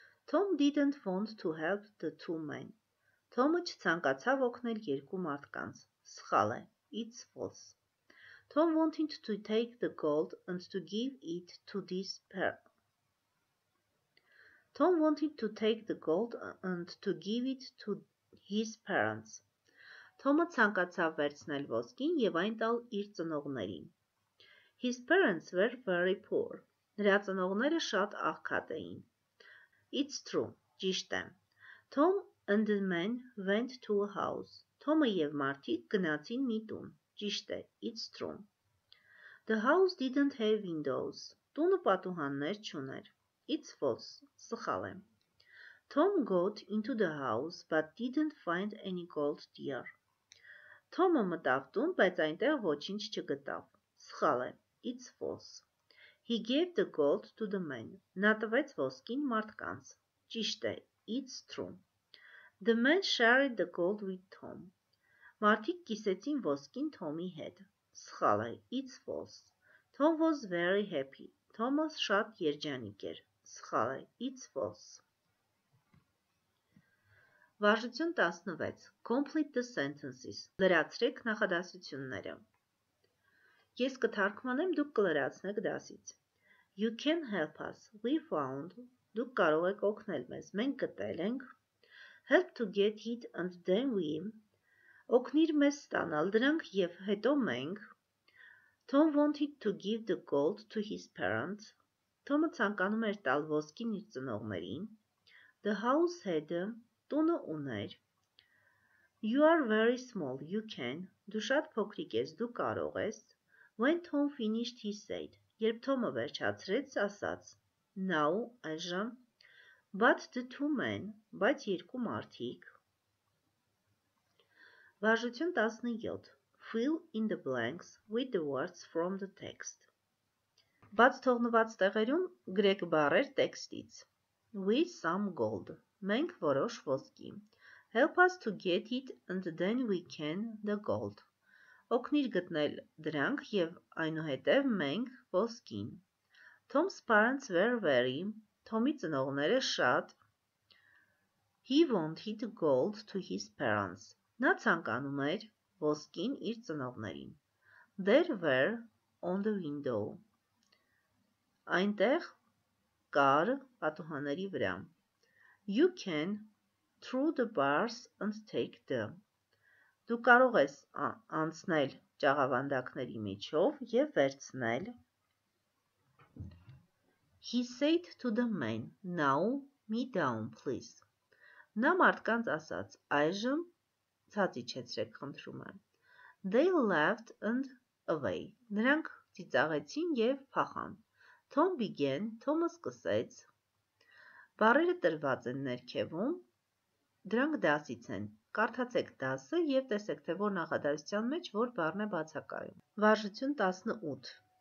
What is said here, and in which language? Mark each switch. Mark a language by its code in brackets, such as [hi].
[en] Tom didn't want to help the two men. [hy] Թոմը չցանկացավ օգնել երկու մարդկանց։ Սխալ է. [en] It's false. Tom wanted to take the gold and to give it to this pair. Tom wanted to take the gold and to give it to his parents. [hy] Թոմը ցանկացավ վերցնել ոսկին եւ այն տալ իր ծնողներին։ [en] His parents were very poor. [hy] Նրա ծնողները շատ աղքատ էին։ [en] It's true. [hy] Ճիշտ է։ [en] Tom and the men went to a house. [hy] Թոմը եւ մարդիկ գնացին մի տուն։ Ճիշտ է, [en] it's true. The house didn't have windows. [hy] Տունը պատուհաններ չուներ։ [en] It's false. [hy] Սխալ եմ։ [en] Tom got into the house but didn't find any gold there. [hy] Թոմը մտավ տուն, բայց այնտեղ ոչինչ չգտավ։ Սխալ է, [en] it's false. He gave the gold to the men. [hy] Նա տվեց ոսկին մարդկանց։ Ճիշտ է, [en] it's true. The men shared the gold with Tom. [hy] Մարդիկ կիսեցին ոսկին Թոմի հետ։ Սխալ է, [en] it's false. Tom was very happy. [hy] Թոմաս շատ երջանիկ էր։ Սխալ է, [en] it's false. [hy] Վարժություն 16. [en] Complete the sentences. [hy] Լրացրեք նախադասությունները։ Ես կթարգմանեմ, դուք կլրացնեք դասից։ [en] You can help us. We found. [hy] Դուք կարող եք օգնել մեզ։ Մենք գտել ենք։ [en] Help to get it and then we. [hy] Օգնիր մեզ ստանալ դրանք եւ հետո մենք. [en] Tom wanted to give the gold to his parents. [hy] Թոմը ցանկանում էր տալ ոսկին իր ծնողներին. [en] The house had a. [hy] Տունը ուներ. [en] You are very small. You can. [hy] Դու շատ փոքրիկ ես, դու կարող ես. [en] When Tom finished, he said. [hy] Երբ Թոմը վերջացրեց, ասաց. [en] Now, [hy] այժմ. But the two men, բայց երկու մարդիկ, Վարժություն 17. [en] Fill in the blanks with the words from the text. [hy] Բաց թողնված տեղերում գրեք բառեր տեքստից. [en] We some gold. [hy] Մենք որոշ ոսկի. [en] Help us to get it and then we can the gold. [hy] Օգնիր գտնել դրանք եւ այնուհետեւ մենք ոսկին. [en] Tom's parents were very. [hy] Թոմի ծնողները շատ. [en] He wanted gold to his parents. [hy] Նա ցանկանում էր ոսկին իր ծնողներին. [en] There were on the window. [hy] Այնտեղ կար պատուհանների վրա. [en] You can through the bars and take them. [hy] Դու կարող ես անցնել ճաղավանդակների միջով եւ վերցնել. [en] He said to the man, "Now, me down, please." [hy] Նա մարդկանց ասաց. Այժմ ցածիչեցրեք, խնդրում եմ. [en] They left and away. [hy] Նրանք ծիծաղեցին եւ փախան. [en] Tom began, [hy] Thomas սկսեց. Բառերը տրված են ներքևում։ Դրանք դասից են։ Կարդացեք դասը եւ տեսեք, թե որ նախադասության մեջ որ բառն է բացակայում։ Վարժություն 18.